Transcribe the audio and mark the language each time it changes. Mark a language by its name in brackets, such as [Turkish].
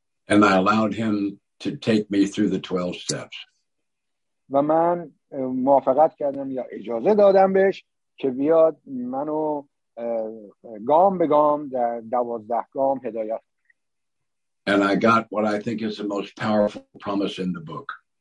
[English] And I allowed him to take me through the 12 steps. [Persian] و من موافقت کردم یا اجازه دادم بهش که بیاد منو گام به گام در 12 گام هدایت. [English] And I got what I think is the most powerful promise in the book.